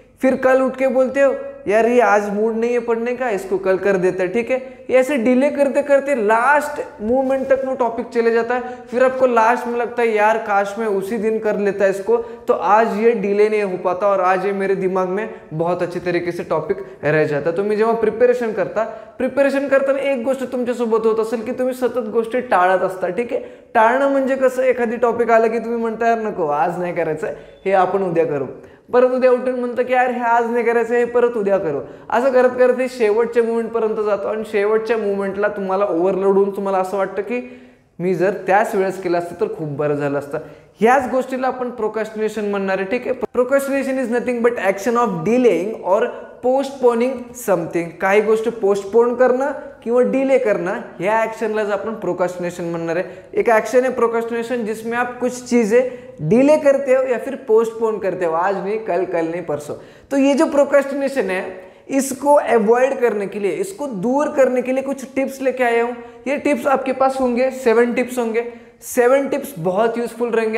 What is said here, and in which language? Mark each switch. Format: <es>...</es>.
<hi>फिर कल उठ के बोलते हो यार ये आज मूड नहीं है पढ़ने का, इसको कल कर देते हैं, ठीक है. ये ऐसे डिले करते करते लास्ट मोमेंट तक वो टॉपिक चले जाता है, फिर आपको लास्ट में लगता है यार काश मैं उसी दिन कर लेता इसको, तो आज ये डिले नहीं हो पाता और आज ये मेरे दिमाग में बहुत अच्छी तरीके से टॉपिक रह जाता. तो मैं जब प्रिपरेशन करता ना,</hi> <mr>एक गोष्ट तुमच्यासोबत होत असेल की तुम्ही सतत गोष्टी टाळत असता, ठीक आहे. टाळणं म्हणजे कसं, एखादी टॉपिक आला की तुम्ही म्हणता यार नको आज नाही करायचं, हे आपण उद्या करू, परत उद्या उठून म्हणतो की यार हे आज नाही करायचं, हे परत उद्या करू, असं करत करत ते शेवटच्या मुवमेंटपर्यंत जातो. आणि शेवटच्या मुवमेंटला तुम्हाला ओव्हरलोड होऊन तुम्हाला असं वाटतं की मी जर त्याच वेळेस केलं असतं तर खूप बरं झालं असतं. ह्याच गोष्टीला आपण प्रोकास्टिनेशन म्हणणार आहे, ठीक आहे.</mr> <en>Procrastination is nothing but action of delaying or postponing something.</en> <mr>काही गोष्ट पोस्टपोन करणं किंवा डिले करणं, ह्या ॲक्शनलाच आपण प्रोकास्टिनेशन म्हणणार आहे. एक ॲक्शन आहे</mr> <hi>प्रोकास्टिनेशन जिसमें आप कुछ चीजें डिले करते हो या फिर पोस्टपोन करते हो, आज नहीं कल, कल नहीं परसों. तो ये जो प्रोकास्टिनेशन है इसको अवॉइड करने के लिए, इसको दूर करने के लिए कुछ टिप्स लेके आया हूँ. ये टिप्स आपके पास होंगे, 7 टिप्स होंगे. 7 टिप्स बहुत यूजफुल रहेंगे.</hi>